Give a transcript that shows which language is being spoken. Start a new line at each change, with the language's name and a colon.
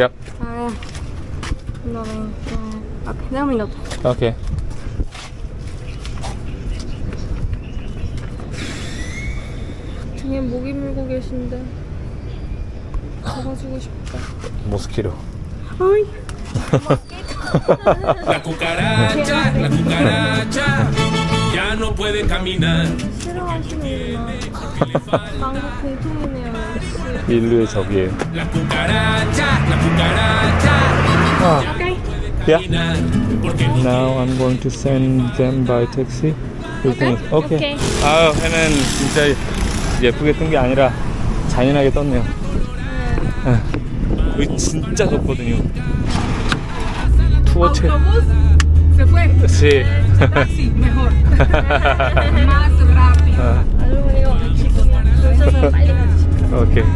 Korean: 얍 오케이 내가 밀어도 오케이 그냥 모기 물고 계신데 잡아주고 싶다 모스키로
Spanish: La cucaracha, la cucaracha, ya no puede caminar. La cucaracha, la cucaracha.
English: Now I'm going to send them by taxi. Okay.
Korean: 아, 해는 진짜 예쁘게 뜬 게 아니라 잔인하게 떴네요. 여기 진짜 좋거든요. 투어 체. 세 fue. 오케이.